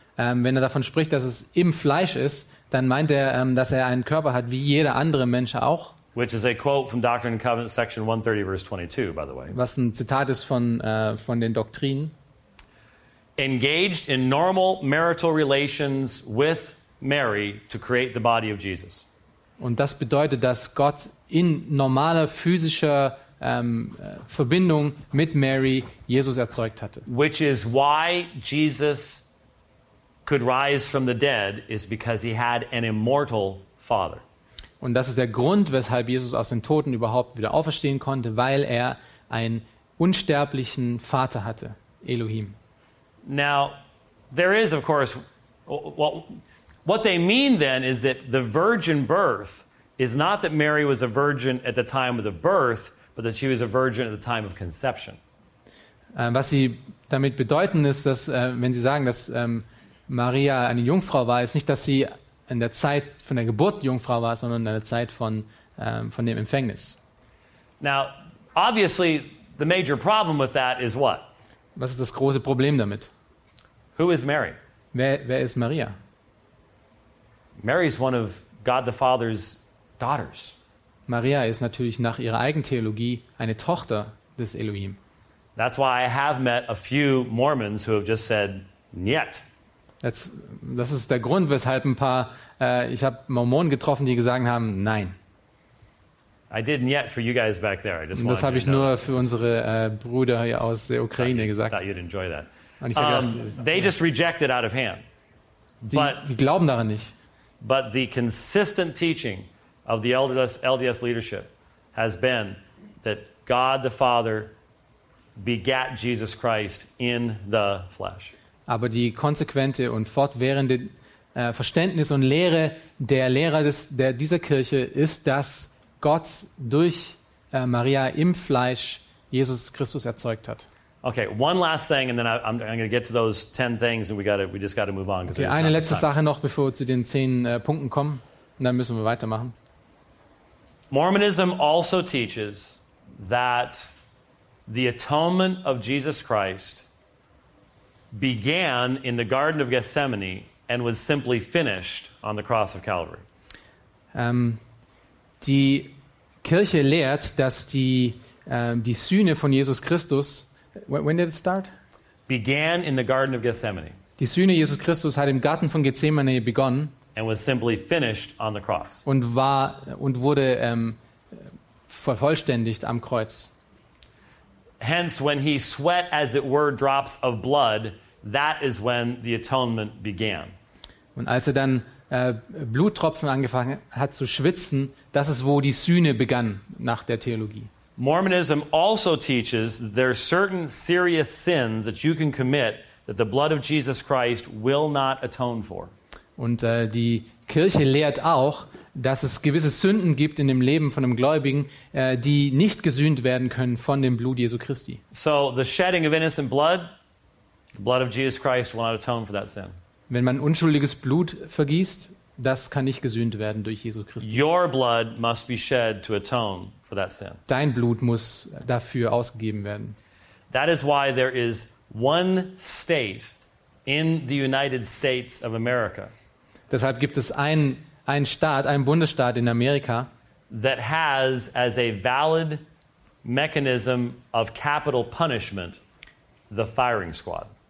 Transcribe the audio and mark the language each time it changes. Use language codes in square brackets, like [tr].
[de] Wenn er davon spricht, dass es im Fleisch ist, dann meint er, dass er einen Körper hat wie jeder andere Mensch auch. [en] Which is a quote from Doctrine and Covenants section 130 verse 22, by the way. [de] Was ein Zitat ist von den Doktrinen. [en] Engaged in normal marital relations with Mary to create the body of Jesus. [de] Und das bedeutet, dass Gott in normaler physischer Verbindung mit Mary Jesus erzeugt hatte. [en] Which is why Jesus could rise from the dead is because he had an immortal father. [de] Und das ist der Grund, weshalb Jesus aus den Toten überhaupt wieder auferstehen konnte, weil er einen unsterblichen Vater hatte, Elohim. [en] Now, there is, of course, what they mean then is that the virgin birth is not that Mary was a virgin at the time of the birth, but that she was a virgin at the time of conception. [de] Was sie damit bedeuten ist, dass wenn sie sagen, dass Maria eine Jungfrau war, ist nicht, dass sie in der Zeit von der Geburt Jungfrau war, sondern in der Zeit von dem Empfängnis. [en] Now, obviously, the major problem with that is what? [de] Was ist das große Problem damit? [en] Who is Mary? [de] Wer ist Maria? [en] Mary is one of God the Father's daughters. [de] Maria ist natürlich nach ihrer eigenen Theologie eine Tochter des Elohim. [en] That's why I have met a few Mormons who have just said, "Niet." [de] Das ist der Grund, weshalb ein paar ich habe Mormonen getroffen, die gesagt haben, nein. [en] I didn't yet for you guys back there. I just [de] das habe ich nur für unsere Brüder hier aus der Ukraine gesagt. [en] You'd enjoy that. They just reject it out of hand. [de] Die glauben daran nicht. [en] But the consistent teaching of the LDS leadership has been that God the Father begat Jesus Christ in the flesh. [de] Aber die konsequente und fortwährende Verständnis und Lehre der Lehrer dieser Kirche ist, dass Gott durch Maria im Fleisch Jesus Christus erzeugt hat. [en] Okay, one last thing and then I'm going to get to those 10 things and we just got to move on. [de] Okay, eine letzte Sache noch, bevor wir zu den 10 Punkten kommen, und dann müssen wir weitermachen. [en] Mormonism also teaches that the atonement of Jesus Christ began in the Garden of Gethsemane and was simply finished on the cross of Calvary. [de] Die Kirche lehrt, dass die Sühne von Jesus Christus. [en] When did it start? began in the Garden of Gethsemane. [de] Die Sühne Jesus Christus hat im Garten von Gethsemane begonnen. [en] And was simply finished on the cross. [de] Und wurde vervollständigt am Kreuz. [en] Hence, when he sweat as it were drops of blood, that is when the atonement began. [de] Und als er dann Bluttropfen angefangen hat zu schwitzen, das ist, wo die Sühne begann nach der Theologie. [en] Mormonism also teaches there are certain serious sins that you can commit that the blood of Jesus Christ will not atone for. [de] Und die Kirche lehrt auch, dass es gewisse Sünden gibt in dem Leben von einem Gläubigen, die nicht gesühnt werden können von dem Blut Jesu Christi. [en] So the shedding of innocent blood, the blood of Jesus Christ will not atone for that sin. [de] Wenn man unschuldiges Blut vergießt, das kann nicht gesühnt werden durch Jesus Christus. [en] Your blood must be shed to atone for that sin. [de] Dein Blut muss dafür ausgegeben werden. [en] That is why there is one state in the United States of America. [de] Deshalb gibt es einen Staat, einen Bundesstaat in Amerika, [en] that has as a valid mechanism of capital punishment the firing squad.